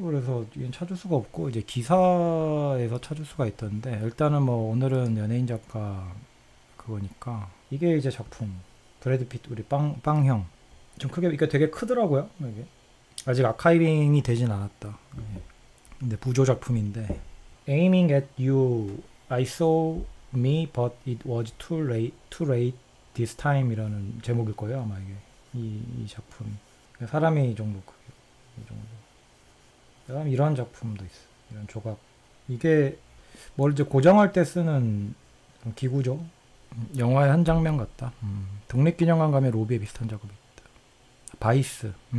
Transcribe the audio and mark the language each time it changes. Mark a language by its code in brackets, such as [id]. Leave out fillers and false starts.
[ko] 그래서 이건 찾을 수가 없고 이제 기사에서 찾을 수가 있던데 일단은 뭐 오늘은 연예인 작가 그거니까 이게 이제 작품 브래드 피트 우리 빵형 좀 크게 이게 되게 크더라고요. 이게. 아직 아카이빙이 되진 않았다. 근데 부조 작품인데. [en] Aiming at you, I saw me, but it was too late this time [ko] 이라는 제목일 거예요, 아마 이게. 이 작품. 사람이 이 정도 크기. 이 정도. 그다음 이런 작품도 있어. 이런 조각. 이게 뭘 이제 고정할 때 쓰는 기구죠. 영화의 한 장면 같다. 독립기념관 가면 로비에 비슷한 작업이 있다. 바이스.